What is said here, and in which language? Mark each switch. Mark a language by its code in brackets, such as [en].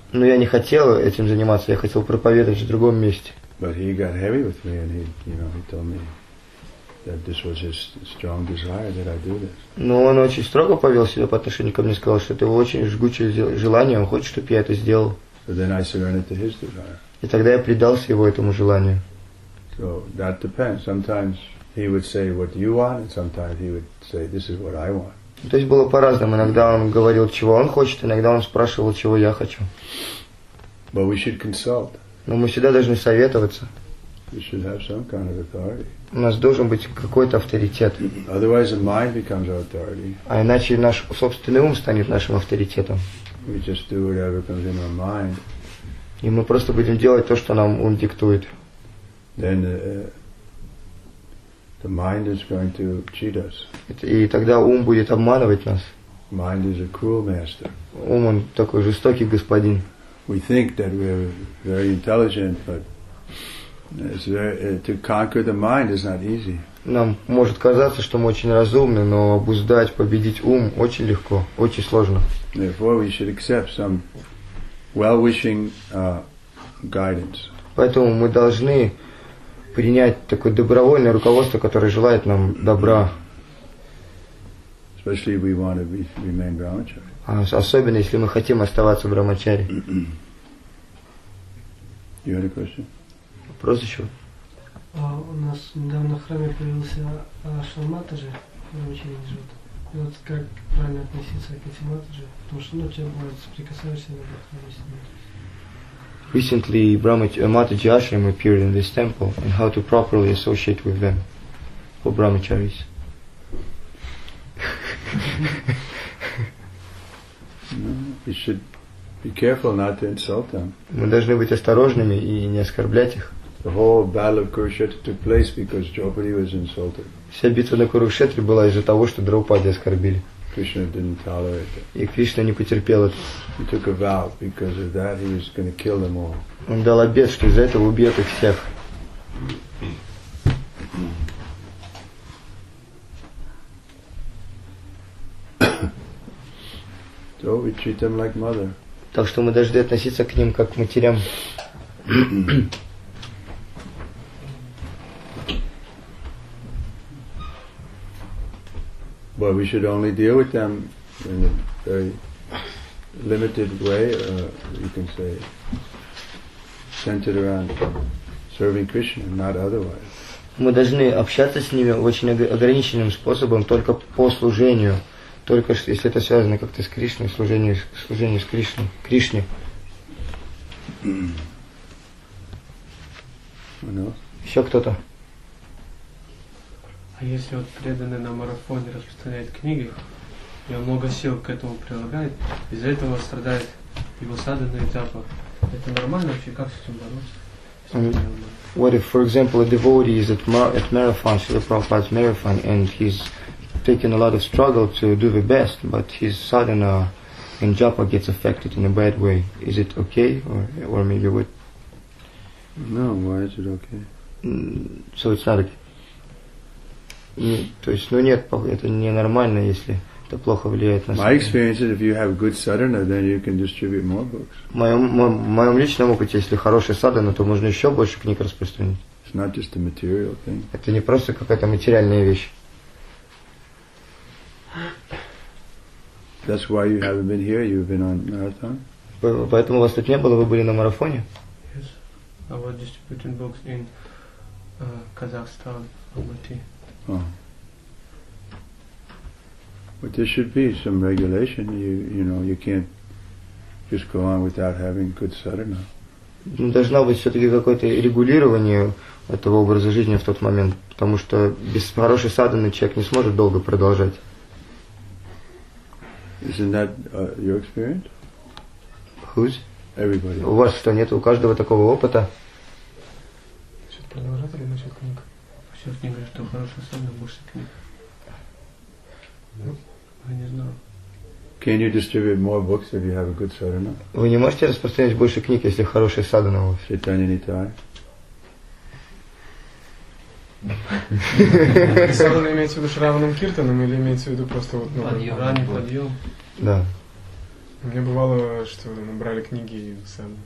[ru] Но я не хотел этим заниматься. Я хотел проповедовать в другом месте. [en] But he got heavy with me, and he told me that this was his strong desire that I do this. [ru] Но он очень строго повел себя по отношению ко мне, сказал, что это его очень жгучее желание, он хочет, чтобы я это сделал. [en] So then I surrendered to his desire. [ru] И тогда я предался его этому желанию. [en] So that depends. Sometimes he would say what you want, and sometimes he would say this is what I want. [ru] То есть было по-разному. Иногда он говорил, чего он хочет, иногда он спрашивал, чего я хочу. [en] But we should consult. [ru] Но мы всегда должны советоваться. [en] You should have some kind of authority. [ru] У нас должен быть какой-то авторитет. [en] Otherwise, the mind becomes our authority. [ru] А иначе наш собственный ум станет нашим авторитетом. [en] We just do whatever comes in our mind. [ru] И мы просто будем делать то, что нам ум диктует. [en] Then the mind is going to cheat us. [ru] И тогда ум будет обманывать нас. [en] Mind is a cruel master. [ru] Ум, он такой жестокий господин. [en] We think that we're very intelligent, but to conquer the mind is not easy. [ru] Нам может казаться, что мы очень разумны, но обуздать, победить ум очень легко, очень сложно. [en] Therefore, we should accept some well-wishing guidance. [ru] Поэтому мы должны принять такое добровольное руководство, которое желает нам добра. [en] Especially if we want to remain brahmachari. [ru] Особенно, если мы хотим оставаться в брамачаре. [en] You had a question? [ru] Вопрос еще. У нас недавно в храме появился Ашваматаджи, в брамачаре не живет. И вот как правильно относиться к этим матаджи? Потому что, ну, тебя бывает, соприкасаешься иногда в храме с ним. [en] Recently, Матаджи Ашрам appeared in this temple, and how to properly associate with them for brahmacharis. We should be careful not to insult them. [ru] Мы должны быть осторожными и не оскорблять их. [en] The whole battle of Kurukshetra took place because Draupadi was insulted. [ru] Вся битва на Курукшетре была из-за того, что Драупади оскорбили. [en] Krishna didn't tolerate it. [ru] И Кришна не потерпел это. [en] He took a vow because of that he was going to kill them all. [ru] Он дал обет, что из-за этого убьет их всех. [en] So we treat them like mother. [ru] Так что мы должны относиться к ним как к матерям. [en] But we should only deal with them in a very limited way, you can say, centered around serving Krishna, not otherwise. [ru] Мы должны общаться с ними очень ограниченным способом, только по служению. Только если это связано как-то с Кришной, служение с Кришной, Кришне. Еще кто-то? А если вот преданный на марафоне распространяет книги, и он много сил к этому прилагает, из-за этого страдает его садхана и джапа, это нормально вообще? Как с этим бороться? [en] What if, for example, a devotee is at marathon, Srila Prabhupada's marathon, and he's taking a lot of struggle to do the best, but his sadhana and japa gets affected in a bad way? Is it okay, or maybe what? No, why is it okay? So it's not okay. [ru] То есть, ну нет, это ненормально, если это плохо влияет на. [en] My experience is, if you have good sadhana, then you can distribute more books. [ru] В моем личном опыте, если хорошая sadhana, то можно еще больше книг распространить. [en] It's not just a material thing. [ru] Это не просто какая-то материальная вещь. [en] That's why you haven't been here. You've been on marathon. [ru] Поэтому вас тут не было, вы были на марафоне. [en] Yes, I was distributing books in Kazakhstan, Almaty. Oh. But there should be some regulation. You know, you can't just go on without having good sadhana. [ru] Должно быть все-таки какое-то регулирование этого образа жизни в тот момент, потому что без хорошей садханы человек не сможет долго продолжать. [en] Isn't that your experience? Whose? Everybody. [ru] У вас что, нет у каждого такого опыта? Насчет продолжателя, насчет книг. Все книга, что хорошая сада, больше книг. Ну, я не знаю. [en] Can you distribute more books if you have a good sadhana? [ru] Вы не можете распространять больше книг, если хорошая сада у вас? Читание не та. Сада имеется в виду Шраваном Киртаном или имеется в виду просто вот... Подъем. Ранний подъем. Да. У меня бывало, что набрали книги и сада.